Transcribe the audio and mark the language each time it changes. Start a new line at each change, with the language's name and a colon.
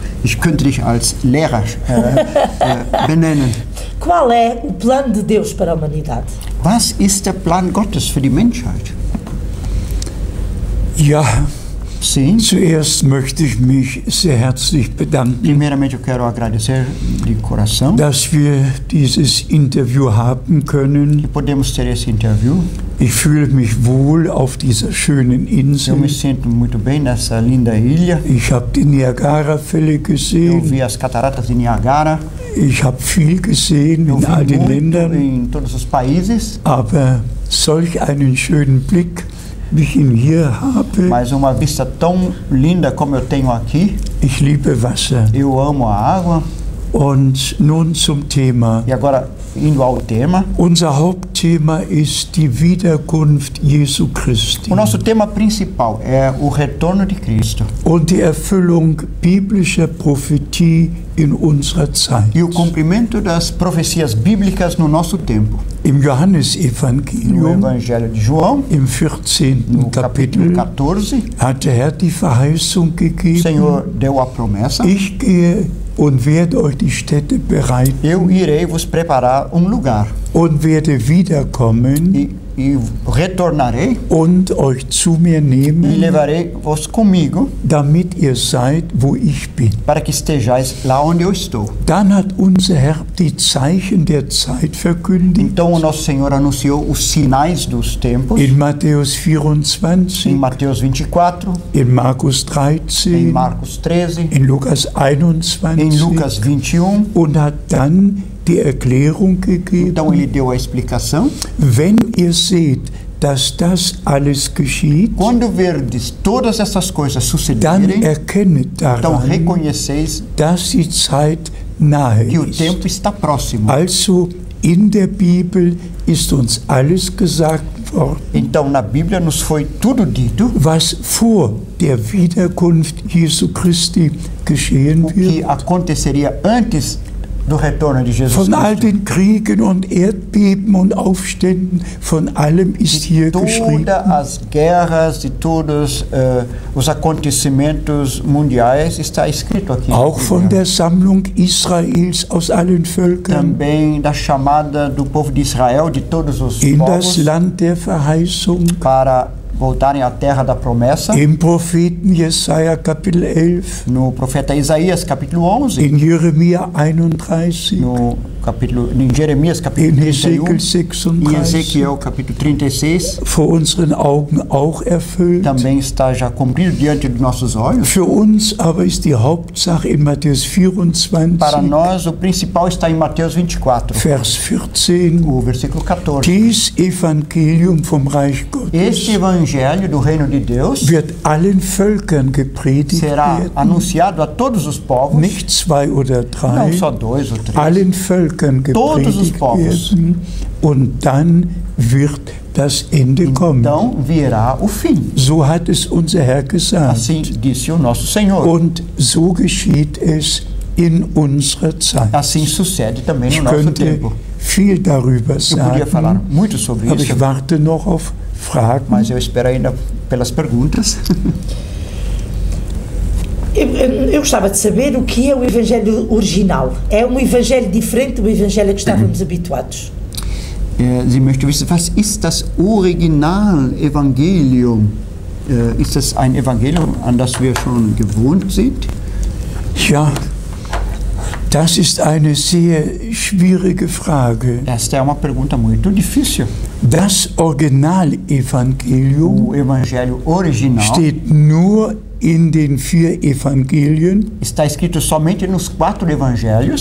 German: Ich könnte dich als Lehrer benennen.
Portuguese: Qual é o plano de Deus para a humanidade?
German: Was ist der Plan Gottes für die Menschheit? Ja,
Portuguese: sim.
German: Zuerst möchte ich mich sehr herzlich bedanken.
Portuguese: Primeiramente, eu quero agradecer de coração,
German: dass wir dieses Interview haben können.
Portuguese: Que podemos ter esse interview.
German: Ich fühle mich wohl auf dieser schönen Insel.
Portuguese: Eu me sinto muito bem nessa linda ilha.
German: Ich habe die Niagara-Fälle gesehen.
Portuguese: Eu vi as cataratas de Niagara.
German: Ich habe viel gesehen
Portuguese: eu
German: in all den Ländern.
Portuguese: In todos os países.
German: Aber solch einen schönen Blick, wie ich ihn hier habe.
Portuguese: Mas uma vista tão linda como eu tenho aqui.
German: Ich liebe Wasser.
Portuguese: Eu amo a água.
German: Und nun zum Thema.
Portuguese: E agora, indo ao tema.
German: Unser Hauptthema ist die Wiederkunft Jesu Christi.
Portuguese: O nosso tema principal é o retorno de Cristo.
German: Und die Erfüllung biblischer Prophetie in unserer Zeit.
Portuguese: E o cumprimento das profecias bíblicas no nosso tempo.
German: Im Johannesevangelium,
Portuguese: no Evangelho de João,
German: im 14. Kapitel, 14, hat der Herr die Verheißung gegeben.
Portuguese: O Senhor deu a promessa.
German: Ich gehe und werde euch die Städte bereiten.
Portuguese: Eu irei vos preparar lugar.
German: Und werde wiederkommen.
Portuguese: E retornarei.
German: Und euch zu mir nehmen.
Portuguese: E levarei vos comigo.
German: Damit ihr seid, wo ich bin.
Portuguese: Para que estejais lá onde eu estou.
German: Dann hat unser Herr die Zeichen der Zeit verkündigt.
Portuguese: Então o nosso Senhor anunciou os sinais dos tempos.
German: In Mateus 24.
Portuguese: Em Mateus 24.
German: In Markus 13.
Portuguese: Em Marcos 13.
German: In Lucas 21.
Portuguese: Em Lucas 21.
German: Und hat dann die Erklärung gegeben.
Portuguese: Então ele deu a explicação.
German: Wenn ihr seht, dass das alles geschieht,
Portuguese: quando verdes todas essas coisas sucederem,
German: dann erkennet daran,
Portuguese: então reconheceis,
German: dass die Zeit nahe
Portuguese: que
German: ist.
Portuguese: O tempo está próximo.
German: Also in der Bibel ist uns alles gesagt worden,
Portuguese: então na Bíblia nos foi tudo dito,
German: was vor der Wiederkunft Jesu Christi geschehen
Portuguese: o que
German: wird.
Portuguese: Aconteceria antes do retorno de Jesus
German: von all den Kriegen und Erdbeben und Aufständen, von allem ist hier geschrieben.
Portuguese: Todas as guerras e todos os acontecimentos mundiais está escrito aqui.
German: Auch von der Sammlung Israels aus allen Völkern.
Portuguese: Também da chamada do povo de Israel de todos os
German: in
Portuguese: povos.
German: Das Land der Verheißung.
Portuguese: Para voltarem à terra da promessa.
German: Im Propheten Jesaja Kapitel 11.
Portuguese: No profeta Isaías Kapitel 11.
German: In Jeremia 31.
Portuguese: No Kapitel, in Jeremias Kapitel 31.
German: In Ezequiel Kapitel 36. Vor unseren Augen auch erfüllt.
Portuguese: Também está já cumprido diante de nossos olhos.
German: Für uns aber ist die Hauptsache in Matthäus 24.
Portuguese: Para nós o principal está em Mateus 24.
German: Vers 14.
Portuguese: O versículo 14.
German: Dies Evangelium vom Reich Gottes.
Portuguese: O Evangelho do Reino de Deus
German: wird allen Völkern gepredigt
Portuguese: será
German: werden.
Portuguese: Anunciado a todos os povos,
German: nicht zwei oder drei,
Portuguese: não só dois ou três,
German: allen Völkern
Portuguese: todos
German: gepredigt
Portuguese: os povos.
German: Werden, und dann wird das Ende
Portuguese: então
German: kommen.
Portuguese: Então virá o fim.
German: So hat es unser Herr gesagt.
Portuguese: Assim disse o nosso Senhor.
German: Und so geschieht es in unserer Zeit. Das sind so sehr, die ich könnte viel darüber sagen, aber ich warte noch auf Fragen.
Portuguese: Mas eu espero ainda pelas perguntas. Eu gostava de saber o que é o Evangelho original. É um Evangelho diferente do Evangelho a que estávamos habituados?
German: Sie möchte wissen, was ist das Original-Evangelium? Ist das ein Evangelium, an das wir schon gewohnt sind? Ja, das ist eine sehr schwierige Frage. Das ist eine
Portuguese: pergunta muito difícil.
German: Das Original-Evangelium,
Portuguese: o Evangelho original,
German: steht nur in den vier Evangelien.
Portuguese: Está escrito somente nos quatro Evangelhos.